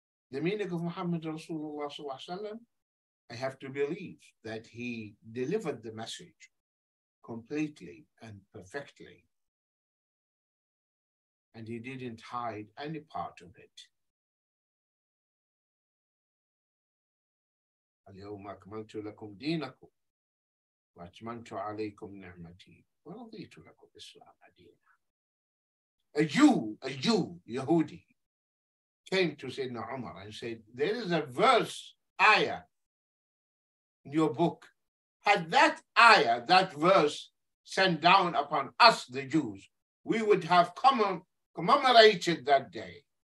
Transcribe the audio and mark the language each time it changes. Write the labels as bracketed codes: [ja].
[en] The meaning of Muhammad Rasulullah sallallahu alaihi wasallam, I have to believe that he delivered the message completely and perfectly. And he didn't hide any part of it. [ar] اليوم أكملت لكم دينكم وأتممت عليكم نعمتي ورضيت لكم الإسلام دينا. [en] A Jew, Yehudi, came to Sayyidina Umar and said, there is a verse, ayah, in your book. Had that ayah, that verse, sent down upon us, the Jews, we would have commemorated that day.